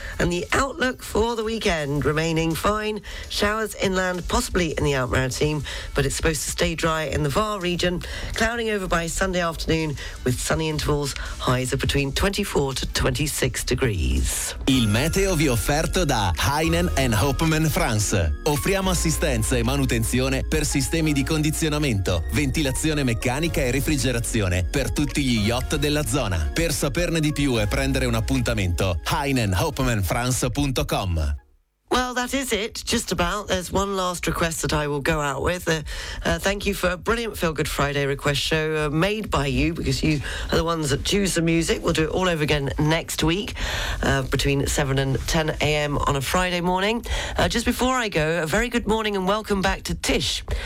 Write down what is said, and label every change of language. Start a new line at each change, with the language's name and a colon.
English: And the outlook for the weekend remaining fine. Showers inland, possibly in the Alpes-Maritimes, but it's supposed to stay dry in the Var region, clouding over by Sunday afternoon with sunny intervals, highs of between 24 to 26 degrees.
Italian: Il meteo vi offerto da Heinen and Hopman France. Offriamo assistenza e manutenzione per sistemi di condizionamento, ventilazione meccanica e refrigerazione per tutti gli yacht della zona. Per saperne di più e prendere un appuntamento, heinenhopmanfrance.com.
English: Well, that is it, just about. There's one last request that I will go out with. Thank you for a brilliant Feel Good Friday request show made by you, because you are the ones that choose the music. We'll do it all over again next week between 7 and 10 a.m. on a Friday morning. Just before I go, a very good morning and welcome back to Tish.